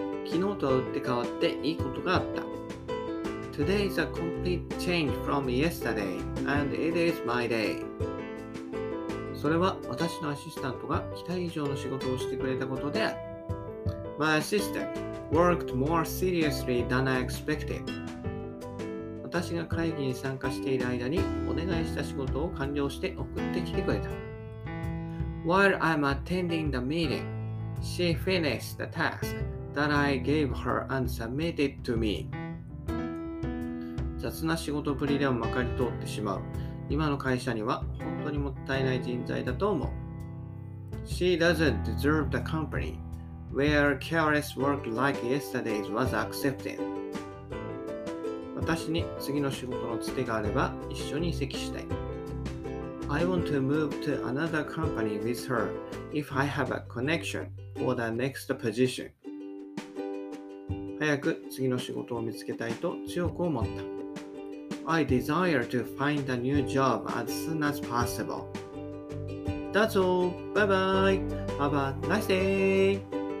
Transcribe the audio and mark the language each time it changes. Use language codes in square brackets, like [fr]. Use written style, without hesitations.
[ja] 昨日と打って変わっていいことがあった。 [en] Today is a complete change from yesterday and it is my day. [ja] それは私のアシスタントが期待以上の仕事をしてくれたことである。 [en] My assistant worked more seriously than I expected. [ja] 私が会議に参加している間にお願いした仕事を完了して送ってきてくれた。 [en] While I'm attending the meeting, she finished the task that I gave her and submitted to me. [ja] 雑な仕事ぶりではまかり通ってしまう。今の会社には本当にもったいない人材だと思う。 [en] She doesn't deserve the company where careless work like yesterday's was accepted. [ja] 私に次の仕事のつてがあれば一緒に移籍したい。 [en] I want to move to another company with her if I have a connection for the next position. [ja] 早く次の仕事を見つけたいと強く思った。 [en] I desire to find a new job as soon as possible. That's all. Bye bye. Have a nice day.